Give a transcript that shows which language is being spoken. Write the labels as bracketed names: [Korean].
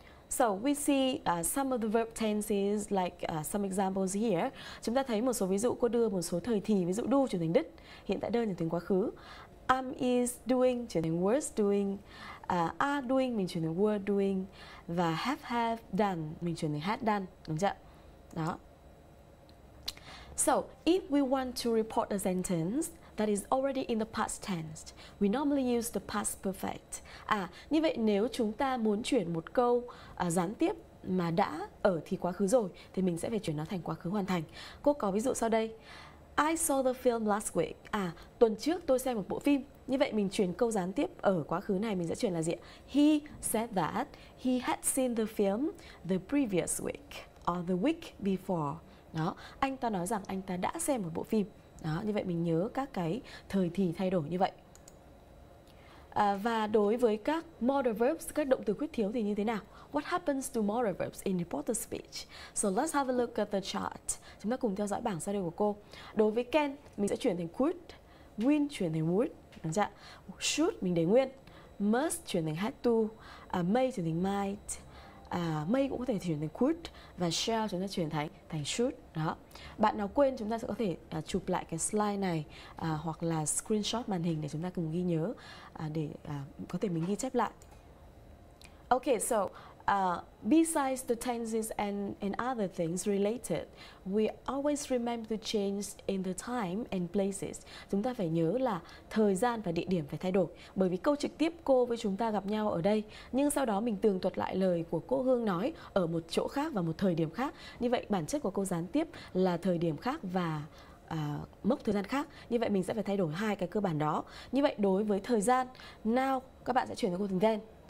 [English] So we see some of the verb tenses like some examples here. [Vietnamese] Chúng ta thấy một số ví dụ, cô đưa một số thời thì, ví dụ do chuyển thành did, hiện tại đơn chuyển thành quá khứ. I'm is doing chuyển thành was doing. Are doing mình chuyển thành were doing và have done mình chuyển thành had done, đúng chưa? Đó. [English] So, if we want to report a sentence that is already in the past tense, we normally use the past perfect. [Vietnamese] À, như vậy nếu chúng ta muốn chuyển một câu gián tiếp mà đã ở thì quá khứ rồi thì mình sẽ phải chuyển nó thành quá khứ hoàn thành. Cô có ví dụ sau đây. [English] I saw the film last week. [Vietnamese] À, tuần trước tôi xem một bộ phim. Như vậy mình chuyển câu gián tiếp ở quá khứ này mình sẽ chuyển là gì? [English] He said that he had seen the film the previous week or the week before. [Vietnamese] Đó, anh ta nói rằng anh ta đã xem một bộ phim. Đó, như vậy mình nhớ các cái thời thì thay đổi như vậy. À, và đối với các modal verbs, các động từ khuyết thiếu thì như thế nào? [English] What happens to modal verbs in reported speech? So let's have a look at the chart. [Vietnamese] Chúng ta cùng theo dõi bảng sau đây của cô. Đối với can, mình sẽ chuyển thành could. Will chuyển thành would. Đúng chưa? Should mình để nguyên. Must chuyển thành had to. May chuyển thành might. May cũng có thể chuyển thành could. Và shall chúng ta chuyển thành should. Đó. Bạn nào quên chúng ta sẽ có thể chụp lại cái slide này hoặc là screenshot màn hình để chúng ta cùng ghi nhớ để có thể mình ghi chép lại. [English] Okay, so besides the tenses and other things related, we always remember to change in the time and places. [Vietnamese] Chúng ta phải nhớ là thời gian và địa điểm phải thay đổi. Bởi vì câu trực tiếp cô với chúng ta gặp nhau ở đây, nhưng sau đó mình tường thuật lại lời của cô Hương nói ở một chỗ khác và một thời điểm khác. Như vậy bản chất của câu gián tiếp là thời điểm khác và mốc thời gian khác. Như vậy mình sẽ phải thay đổi hai cái cơ bản đó. Như vậy đối với thời gian, now các bạn sẽ chuyển sang câu thành then.